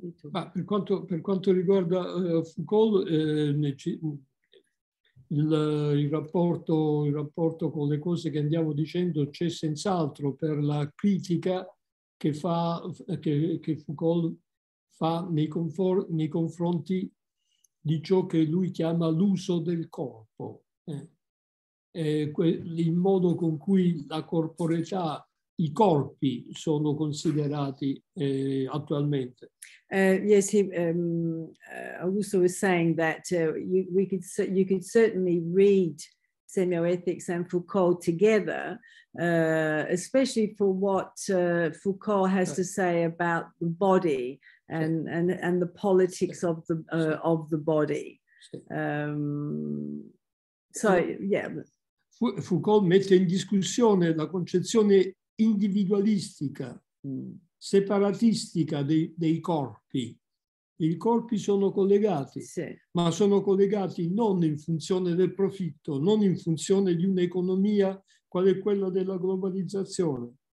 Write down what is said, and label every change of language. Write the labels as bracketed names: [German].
[Italian] Ma per quanto riguarda Foucault, il rapporto con le cose che andiamo dicendo c'è senz'altro per la critica che Foucault fa nei confronti di ciò che lui chiama l'uso del corpo. Il modo con cui la corporeità i corpi sono considerati attualmente. [English] Yes, Augusto was saying that you could certainly read semiotics and Foucault together, especially for what Foucault has to say about the body and the politics of the body. [Italian] Foucault mette in discussione la concezione individualistica, separatistica dei corpi. I corpi sono collegati, ma sono collegati non in funzione del profitto, non in funzione di un'economia qual è quella della globalizzazione.